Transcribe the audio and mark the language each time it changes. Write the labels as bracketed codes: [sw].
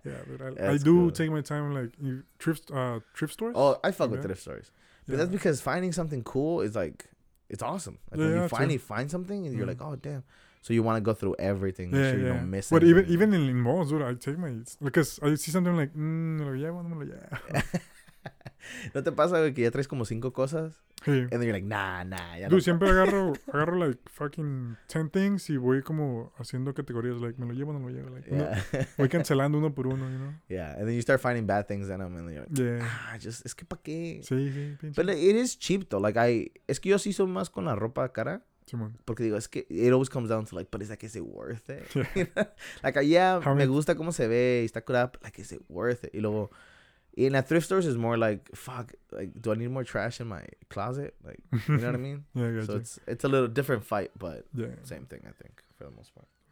[en] Yeah, dude. I do take my time, like, thrift stores. Oh, I fuck with thrift stores. But that's because finding something cool is like, it's awesome. Like, when you finally find something, and you're like, oh, damn. So you want to go through everything, make sure you don't miss it. But even in malls, dude, I take my because I see something like, yeah. [es] ¿No te pasa que ya traes como cinco cosas? Sí. [en] And then you're like, nah. Ya [es] dude, no siempre agarro like fucking 10 things y voy como haciendo categorías like, me lo llevo. [en] Like, yeah. [es] Voy cancelando uno por uno, you know? [en] Yeah, and then you start finding bad things in them and then you're like, es que pa' qué. [es] Sí, [en] pinche. But it is cheap though. [es] Like, es que yo sí soy más con la ropa cara. [en] Porque digo, es que it always comes down to like, but it's like, is it worth it? Yeah. Like, yeah, me gusta cómo se ve y está curada, but like, is it worth it? Y luego, in a thrift stores is more like, fuck, like, do I need more trash in my closet? Like, you know what I mean? Yeah, I got so you. It's a little different fight, but same thing, I think, for the most part.